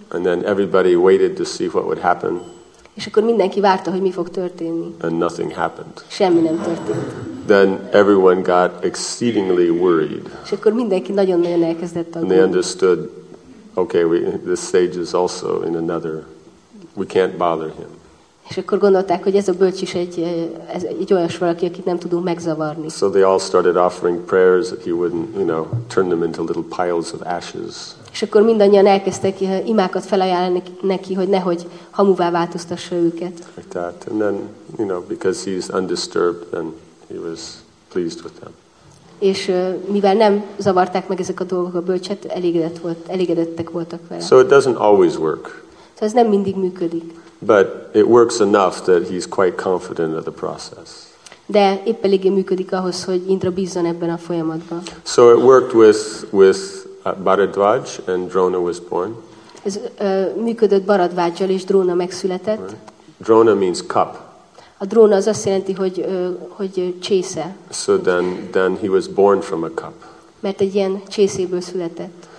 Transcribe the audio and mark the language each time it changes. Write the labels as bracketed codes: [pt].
[en] And then everybody waited to see what would happen. [hu] És akkor mindenki várta, hogy mi fog történni. [en] And nothing happened. [hu] Semmi nem történt. [en] Then everyone got exceedingly worried. [hu] És akkor mindenki nagyon-nagyon elkezdett aggódni. [en] And they understood, okay, this sage is also in another. We can't bother him. [hu] És akkor gondolták, hogy ez a bölcs is egy olyas valaki, akit nem tudunk megzavarni. [en] So they all started offering prayers that he wouldn't, you know, turn them into little piles of ashes. [hu] És akkor mindannyian elkezdtek imákat felajánlani neki, hogy nehogy hamuvá változtassa őket. [en] Like that. And then, you know, because he's undisturbed, then he was pleased with them. [hu] És mivel nem zavarták meg ezek a dolgok a bölcset, elégedettek voltak vele. [en] So it doesn't always work. [hu] Szóval ez nem mindig működik. [en] But it works enough that he's quite confident of the process. [hu] De épp eléggé működik ahhoz, hogy Indra bízzon ebben a folyamatban. [en] So it worked with Bharadvaj, and Drona was born. [hu] Ez működött Bharadvajjal, és Drona megszületett. [en] Right. Drona means cup. [hu] A Drona az azt jelenti, hogy hogy csésze. [en] So then he was born from a cup. [hu] Mert egy ilyen csészéből született.